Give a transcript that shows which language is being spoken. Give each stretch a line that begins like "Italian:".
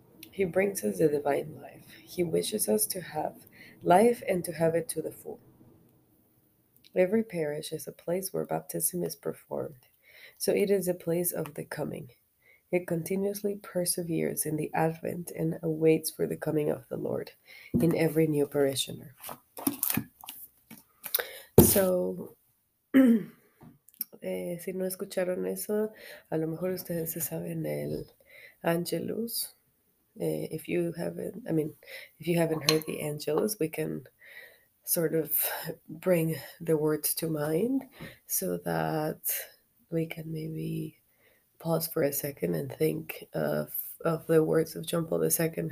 English: He brings us the divine life. He wishes us to have life and to have it to the full. Every parish is a place where baptism is performed, so it is a place of the coming. It continuously perseveres in the Advent and awaits for the coming of the Lord in every new parishioner.
Spanish: So, si no escucharon eso, a lo mejor ustedes se saben el Angelus.
English: If you haven't heard the Angelus, we can sort of bring the words to mind so that we can maybe pause for a second and think of the words of John Paul II.